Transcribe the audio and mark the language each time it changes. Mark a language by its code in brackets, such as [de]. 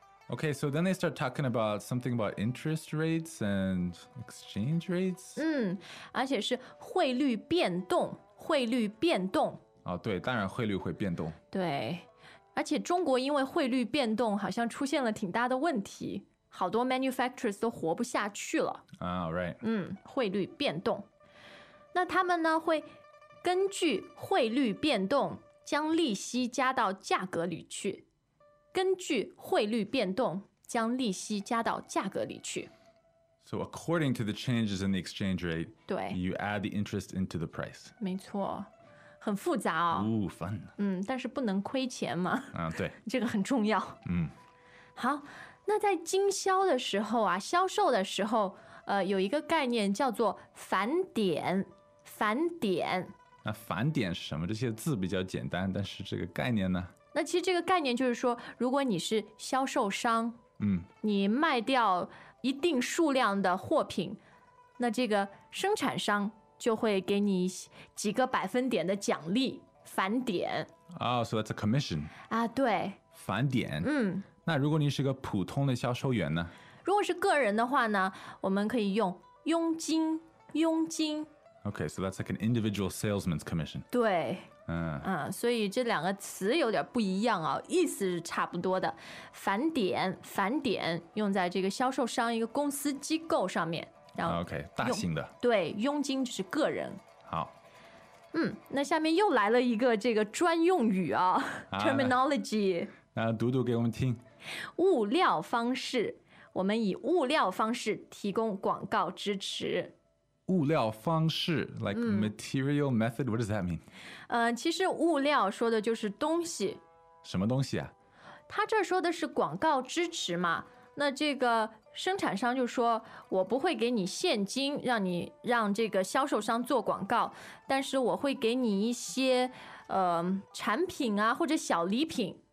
[en] OK, so then they start talking about something about interest rates and exchange rates。 [zh] 嗯，而且是汇率变动，汇率变动。哦，对，当然汇率会变动。对，而且中国因为汇率变动好像出现了挺大的问题，好多 manufacturers 都活不下去了。 [en] Right. [zh] 嗯，汇率变动，那他们呢会根据汇率变动将利息加到价格里去。根据汇率变动将利息加到价格里去。 [en] So according to the changes in the exchange rate, [zh] 对， [en] you add the interest into the price. [zh] 没错，很复杂哦。 [en] Ooh, fun. [zh] 嗯，但是不能亏钱嘛。对，这个很重要。嗯，好，那在经销的时候啊，销售的时候，有一个概念叫做返点。返点。那返点是什么？这些字比较简单，但是这个概念呢？那其实这个概念就是说，如果你是销售商，嗯，你卖掉一定数量的货品，那这个生产商就会给你几个百分点的奖励，返点。 [en] Oh, so that's a commission. [zh] 啊，对。返点。嗯。那如果你是个普通的销售员呢？如果是个人的话呢，我们可以用佣金，佣金。 [en] Okay, so that's like an individual salesman's commission. [zh] 对，所以这两个词有点不一样啊，意思是差不多的。返点，返点用在这个销售商一个公司机构上面。 Okay, 大型的。对，佣金就是个人。好。嗯，那下面又来了一个这个专用语啊，terminology。那读读给我们听。物料方式，我们以物料方式提供广告支持。物料方式 [en] like material method, what does that mean? [zh] 其实物料说的就是东西。什么东西啊？他这说的是广告支持嘛，那这个生产商就说我不会给你现金让你让这个销售商做广告，但是我会给你一些产品啊或者小礼品。